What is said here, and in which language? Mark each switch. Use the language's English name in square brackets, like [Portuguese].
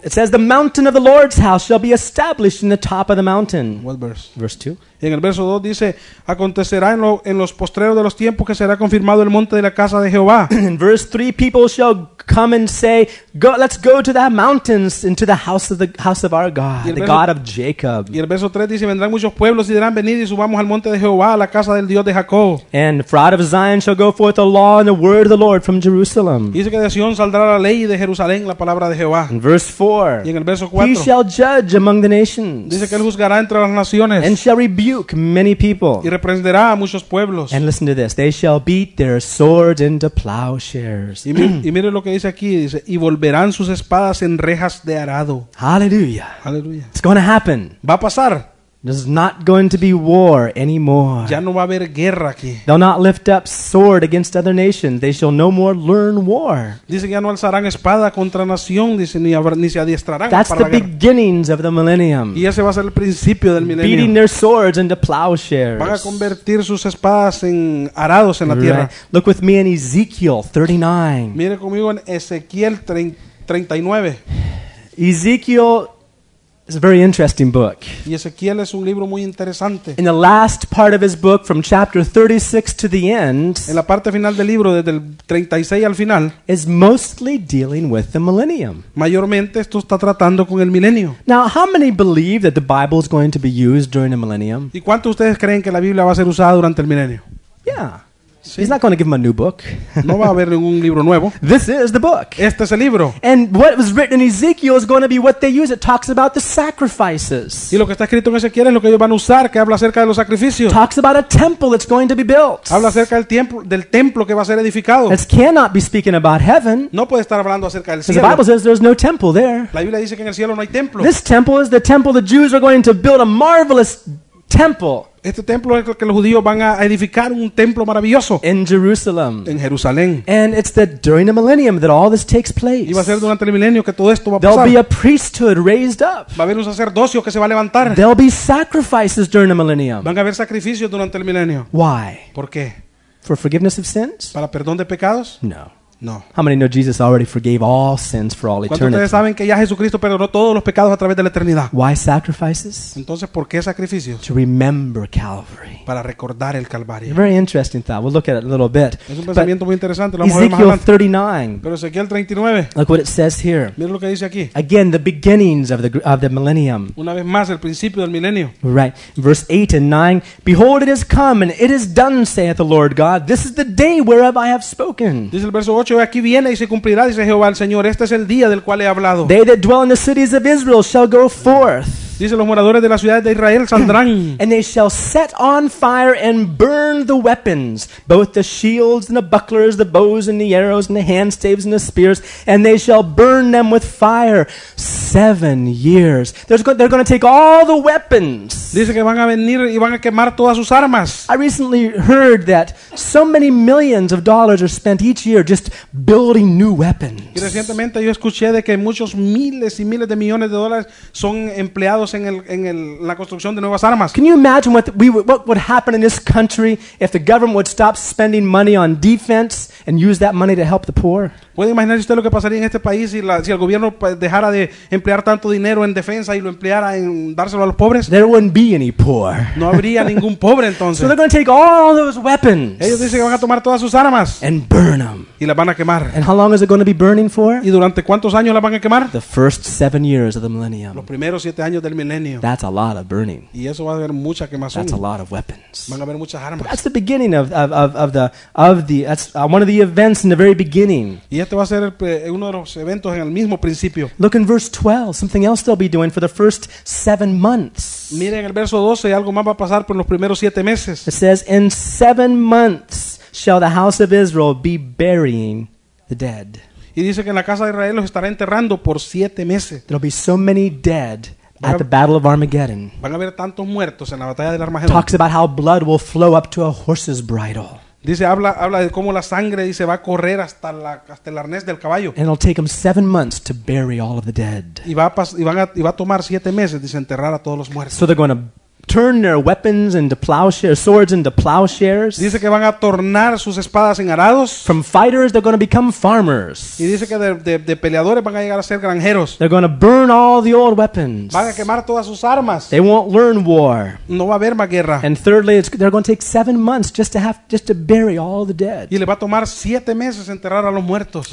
[English] It says the mountain of the Lord's house shall be established in the top of the mountain. What verse? Verse 2. [Spanish] Y en el verso 2 dice, acontecerá en los postreros de los tiempos que será confirmado el monte de la casa de Jehová. [English] In verse 3, people shall come and say, go, let's go to that mountain, into the house of our God, the God of Jacob. [Spanish] Y el verso 3 dice, vendrán muchos pueblos y dirán, venid y subamos al monte de Jehová, a la casa del Dios de Jacob. [English] And for out of Zion shall go forth the law and the word of the Lord from Jerusalem. [Spanish] Y dice que de Sion saldrá la ley y de Jerusalén la palabra de Jehová. [English] In verse 4, [Spanish] y en el verso 4, [English] he shall judge among the nations. [Spanish] Dice que él juzgará entre las naciones. [English] And shall rebuke many people. [Spanish] Y reprenderá a muchos pueblos. [English] And listen to this. They shall beat their swords into plowshares. [Spanish] Y mire lo que dice aquí. Dice, y volverán sus espadas en rejas de arado. [English] Hallelujah. Hallelujah. It's going to happen. [Spanish] Va a pasar. [English] There's not going to be war anymore. [Spanish] Ya no va a haber guerra aquí. [English] They'll not lift up sword against other nations. They shall no more learn war. [Spanish] Dice que ya no alzarán espada contra nación, dice, ni se adiestrarán. [English] That's [Spanish] para [English] the beginnings of the millennium. [Spanish] Y ese va a ser el principio del milenio. [English] Beating their swords into plowshares. [Spanish] Van a convertir sus espadas en arados en la [English] right. [Spanish] tierra. [English] Look with me in Ezekiel 39. [Spanish] Mire conmigo en Ezequiel 39. [English] Ezekiel. It's a very interesting book. [Spanish] Y Ezequiel es un libro muy interesante. [English] In the last part of his book, from chapter 36 to the end, [Spanish] en la parte final del libro, desde el 36 al final, [English] is mostly dealing with the millennium. [Spanish] Mayormente esto está tratando con el milenio. [English] Now, how many believe that the Bible is going to be used during the millennium? [Spanish] ¿Y cuántos de ustedes creen que la Biblia va a ser usada durante el milenio? [English] Yeah. [Spanish] Sí. [English] He's not going to give him a new book. [Spanish] No va a haber ningún libro nuevo. [English] This is the book. [Spanish] Este es el libro. [English] And what was written in Ezekiel is going to be what they use. It talks about the sacrifices. [Spanish] Y lo que está escrito en Ezequiel es lo que ellos van a usar, que habla acerca de los sacrificios. [English] Talks about a temple that's going to be built. [Spanish] Habla acerca del templo que va a ser edificado. [English] It cannot be speaking about heaven. [Spanish] No puede estar hablando acerca del cielo. [English] The Bible says there's no temple there. [Spanish] La Biblia dice que en el cielo no hay templo. [English] This temple is the temple the Jews are going to build, a marvelous temple. [Spanish] Este templo es el que los judíos van a edificar, un templo maravilloso. [English] In Jerusalem. [Spanish] En Jerusalén. [English] And it's that during the millennium that all this takes place. [Spanish] Y va a ser durante el milenio que todo esto va a [English] There'll [Spanish] pasar. [English] There'll be a priesthood raised up. [Spanish] Va a haber un sacerdocio que se va a levantar. [English] There'll be sacrifices during the millennium. [Spanish] Van a haber sacrificios durante el milenio. [English] Why? [Spanish] ¿Por qué? [English] For forgiveness of sins? [Spanish] ¿Para perdón de pecados? [English] No. [Spanish] No. [English] How many know Jesus already forgave all sins for all eternity? [Spanish] ¿Cuántos saben que ya Jesucristo perdonó todos los pecados a través de la eternidad? [English] Why sacrifices? [Spanish] Entonces, ¿por qué sacrificios? [English] To remember Calvary. [Spanish] Para recordar el Calvario. [English] Very interesting thought. We'll look at it a little bit. [Spanish] Es un pensamiento muy interesante. Lo vamos [English] Ezekiel [Spanish] a ver más adelante. [English] 39. [Spanish] Pero Ezequiel 39. [English] Look what it says here. [Spanish] Mira lo que dice aquí. [English] Again, the beginnings of the millennium. [Spanish] Una vez más, el principio del milenio. [English] Right. Verse 8 and 9. Behold, it is come and it is done, saith the Lord God. This is the day whereof I have spoken. [Spanish] Dice el verso 8. Aquí viene y se cumplirá, dice Jehová el Señor. Este es el día del cual he hablado. [English] They that dwell in the cities of Israel shall go forth. [Spanish] Dice, los moradores de las ciudades de Israel saldrán. [English] And they shall set on fire and burn the weapons, both the shields and the bucklers, the bows and the arrows and the hand staves and the spears, and they shall burn them with fire 7 years. They're going to take all the weapons. [Spanish] Dice que van a venir y van a quemar todas sus armas. [English] I recently heard that so many millions of dollars are spent each year just building new weapons. [Spanish] Y recientemente yo escuché de que muchos miles y miles de millones de dólares son empleados en la construcción de nuevas armas. [English] Can you imagine what would happen in this country if the government would stop spending money on defense and use that money to help the poor? [Spanish] ¿Puede imaginarse usted lo que pasaría en este país si el gobierno dejara de emplear tanto dinero en defensa y lo empleara en dárselo a los pobres? [English] There wouldn't be any poor. [Spanish] No habría ningún pobre entonces. [English] So they're going to take all those weapons. [Spanish] Ellos dicen que van a tomar todas sus armas. [English] And burn them. [Spanish] Y las van a quemar. [English] And how long is it going to be burning for? [Spanish] ¿Y durante cuántos años las van a quemar? [English] The first 7 years of the millennium. [Spanish] Los primeros 7 años del milenio. [English] That's a lot of burning. [Spanish] Y eso va a haber mucha quemazón. [English] That's a lot of weapons. [Spanish] Van a haber muchas armas. [English] But that's the beginning of the that's one of the events in the very beginning. [Spanish] Y este va a ser uno de los eventos en el mismo principio. [English] Look in verse 12, something else they'll be doing for the first 7 months. [Spanish] Miren el verso 12, algo más va a pasar por los primeros 7 meses. [English] It says, in 7 months shall the house of Israel be burying the dead. [Spanish] Y dice que en la casa de Israel los estará enterrando por 7 meses. [English] There'll be so many dead at the Battle of Armageddon. [Spanish] Van a haber tantos muertos en la batalla del Armagedón. [English] Talks about how blood will flow up to a horse's bridle. [Spanish] Dice, habla de cómo la sangre dice va a correr hasta el arnés del caballo. [English] And it'll take them 7 months to bury all of the dead. [Spanish] Y va a tomar 7 meses desenterrar a todos los muertos. [English] So they're going to turn their weapons into plowshares, swords into plowshares. [Spanish] Dice que van a tornar sus espadas en arados. [English] From fighters, they're going to become farmers. [Spanish] Y dice que de peleadores van a llegar a ser granjeros. [English] They're going to burn all the old weapons. [Spanish] Van a quemar todas sus armas. [English] They won't learn war. [Spanish] No va a haber más guerra. [English] And thirdly, they're going to take 7 months just to bury all the dead. [Spanish] Y le va a tomar 7 meses enterrar a los muertos.